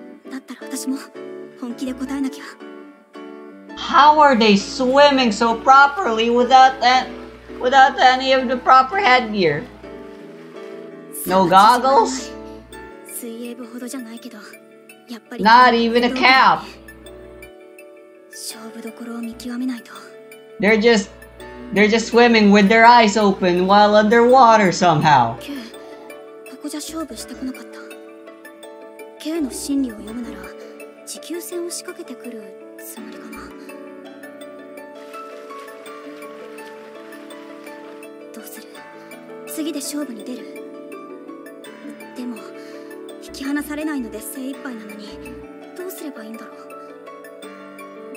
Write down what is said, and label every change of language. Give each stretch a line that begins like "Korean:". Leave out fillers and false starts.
Japanese: だったら私も本気で答えなきゃ。
English: How are they swimming so properly without any of the proper headgear? No goggles?
Japanese: 水泳部ほどじゃないけど、やっぱり。
English: Not even a cap.
Japanese: 勝負どころを見極めないと。
English: They're just swimming with their eyes open while underwater somehow.
Japanese: ここじゃ勝負してこなかった。K の心理を読むなら、持久戦を仕掛けてくるつもりかな。どうする？次で勝負に出る。でも、引き離されないので精一杯なのに、どうすればいいんだろう。